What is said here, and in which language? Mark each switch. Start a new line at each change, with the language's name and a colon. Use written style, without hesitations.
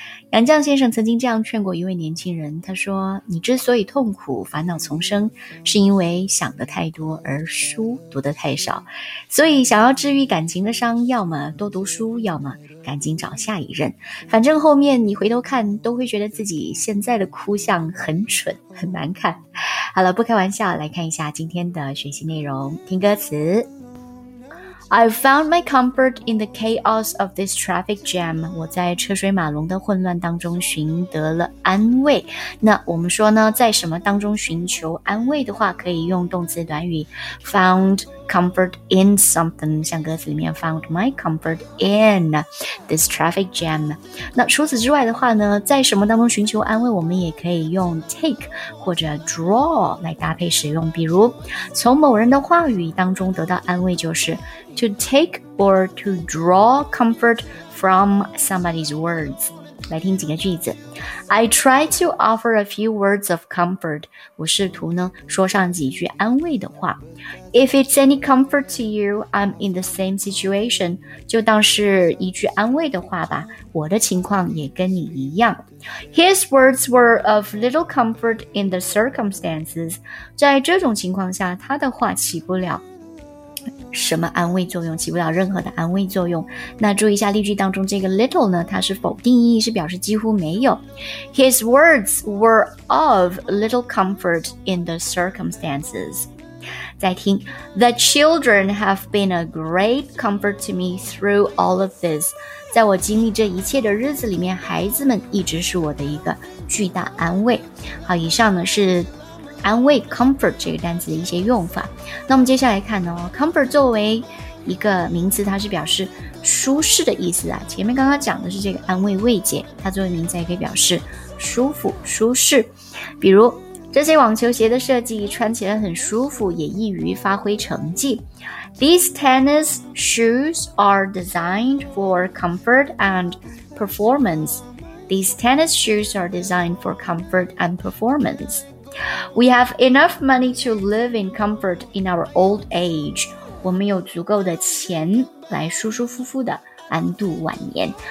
Chinese: 杨绛先生曾经这样劝过一位年轻人，他说，你之所以痛苦烦恼丛生，是因为想得太多而书读得太少。所以想要治愈感情的伤，要么多读书，要么赶紧找下一任，反正后面你回头看都会觉得自己现在的哭相很蠢很难看。好了，不开玩笑，来看一下今天的学习内容。听歌词。
English: I found my comfort in the chaos of this traffic jam.
Chinese: 我在车水马龙的混乱当中寻得了安慰。那我们说呢，在什么当中寻求安慰的话，可以用动词短语
English: foundComfort in something，
Chinese: 像歌词里面
English: found my comfort in this traffic jam。
Chinese: 那除此之外的话呢，在什么当中寻求安慰，我们也可以用 take 或者 draw 来搭配使用。比如从某人的话语当中得到安慰，就是
English: to take or to draw comfort from somebody's words。
Chinese: 来听几个句子。
English: I try to offer a few words of comfort.
Chinese: 我试图呢说上几句安慰的话。
English: If it's any comfort to you, I'm in the same situation.
Chinese: 就当是一句安慰的话吧，我的情况也跟你一样。
English: His words were of little comfort in the circumstances.
Chinese: 在这种情况下，他的话起不了什么安慰作用，起不了任何的安慰作用。那注意一下例句当中这个 little 呢，它是否定意义，是表示几乎没有。
English: His words were of little comfort in the circumstances.
Chinese: 再听
English: The children have been a great comfort to me through all of this.
Chinese: 在我经历这一切的日子里面，孩子们一直是我的一个巨大安慰。好，以上呢是安慰 comfort 这个单词的一些用法。那我们接下来看呢， comfort 作为一个名词，它是表示舒适的意思啊。前面刚刚讲的是这个安慰慰藉，它作为名词也可以表示舒服舒适。比如这些网球鞋的设计穿起来很舒服，也易于发挥成绩。
English: These tennis shoes are designed for comfort and performance. These tennis shoes are designed for comfort and performance. We have enough money to live in comfort in our old age.
Chinese: 我们有足够的钱来舒舒服服的安度晚年。